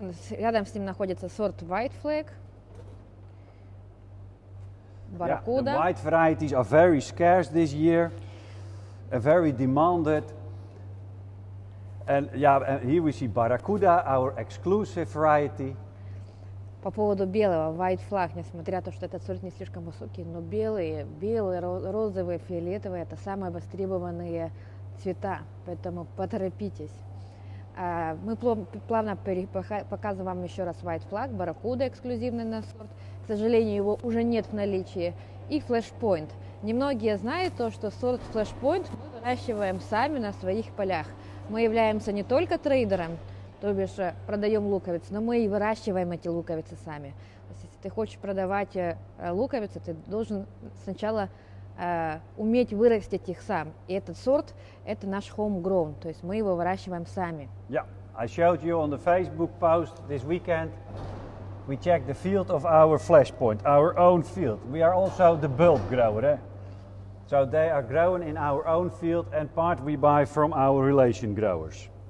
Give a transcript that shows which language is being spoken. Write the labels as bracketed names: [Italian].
[Russian] Рядом с ним находится сорт White Flag. [English] Barracuda. Yeah, the white varieties are very scarce this year, and very demanded. And yeah, and here we see Barracuda, our exclusive variety. [Russian] По поводу белого White Flag, несмотря на то, что этот сорт не слишком высокий, но белые, розовые, фиолетовые — это самые востребованные цвета, поэтому поторопитесь. Мы плавно показываем вам еще раз White Flag, Barracuda эксклюзивный на сорт. К сожалению, его уже нет в наличии. И Flashpoint. Немногие знают то, что сорт Flashpoint мы выращиваем сами на своих полях. Мы являемся не только трейдером, то бишь продаем луковицы, но мы и выращиваем эти луковицы сами. То есть, если ты хочешь продавать луковицы, ты должен сначала уметь вырастить их сам. И этот сорт – это наш homegrown, то есть мы его выращиваем сами. [English] Yeah, I showed you on the Facebook post this weekend. We checked the field of our Flashpoint, our own field. We are also the bulb grower, eh? So they are growing in our own field and part we buy from our relation growers.